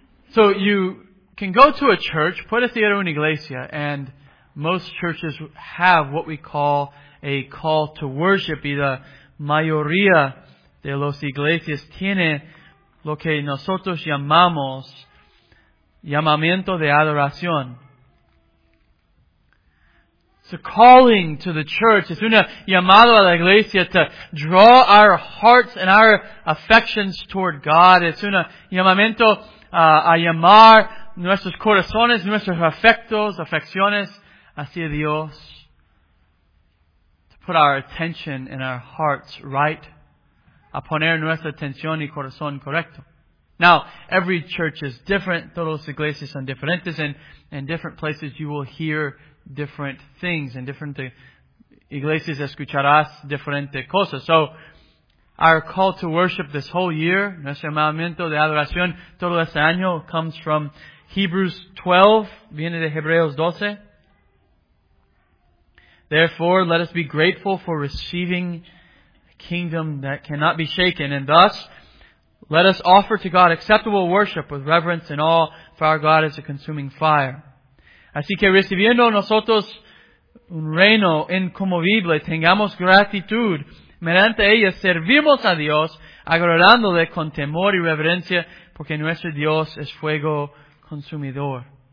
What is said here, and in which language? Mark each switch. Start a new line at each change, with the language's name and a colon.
English: So you can go to a church,
Spanish: puede ir a una iglesia,
English: and most churches have what we call a call to worship.
Spanish: Y la mayoría de las iglesias tiene lo que nosotros llamamos llamamiento de adoración.
English: It's a calling to the church.
Spanish: Es una llamada a la iglesia
English: to draw our hearts and our affections toward God.
Spanish: Es una llamamiento a llamar nuestros corazones, nuestros afectos, afecciones hacia Dios.
English: To put our attention and our hearts right.
Spanish: A poner nuestra atención y corazón correcto.
English: Now, every church is different.
Spanish: Todas las iglesias son diferentes.
English: And in different places you will hear different things. In different
Spanish: iglesias escucharás diferentes cosas.
English: So, our call to worship this whole year,
Spanish: nuestro llamamiento de adoración todo este año,
English: comes from Hebrews 12,
Spanish: viene de Hebreos 12.
English: Therefore, let us be grateful for receiving a kingdom that cannot be shaken. And thus, let us offer to God acceptable worship with reverence and awe, for our God is a consuming fire.
Spanish: Así que recibiendo nosotros un reino inconmovible, tengamos gratitud. Mediante ella servimos a Dios, agradándole con temor y reverencia, porque nuestro Dios es fuego consumidor.